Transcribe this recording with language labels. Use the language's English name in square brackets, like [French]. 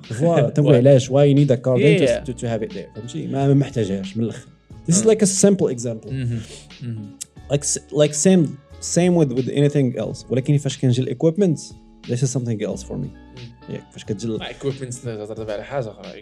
[Arabic] فوا تنقول علاش [English] why you need a card to have it there [Arabic] فهمتي ما محتاجهاش من الاخر. [English] This is like a simple example. Mm-hmm. Mm-hmm. like same with anything else. [Arabic] ولكن فاش كنجي الايكويبمنت [English] this is something else for me. [Arabic] Yeah, فاش كتجي الايكويبمنت تهضر على حاجه اخرى.